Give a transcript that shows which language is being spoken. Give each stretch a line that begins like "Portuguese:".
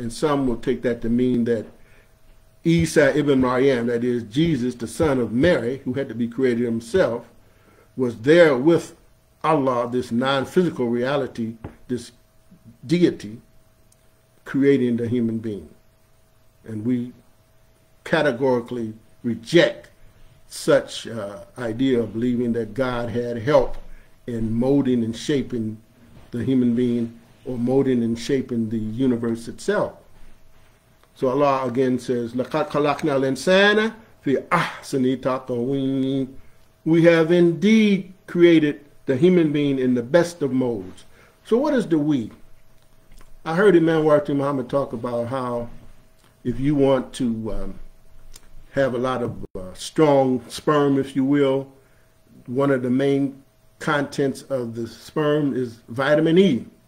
English: And some will take that to mean that Isa ibn Maryam, that is Jesus, the son of Mary, who had to be created himself, was there with Allah, this non-physical reality, this deity, creating the human being. And we categorically reject such idea of believing that God had help in molding and shaping the human being, or molding and shaping the universe itself. So Allah again says,
Arabic: لَقَدْ خَلَقْنَا الْإِنسَانَ فِي أَحْسَنِ تَقْوِيمٍ.
English: We have indeed created the human being in the best of modes. So what is the we? I heard Imam Waqti Muhammad talk about how if you want to have a lot of strong sperm, if you will, one of the main contents of the sperm is vitamin E.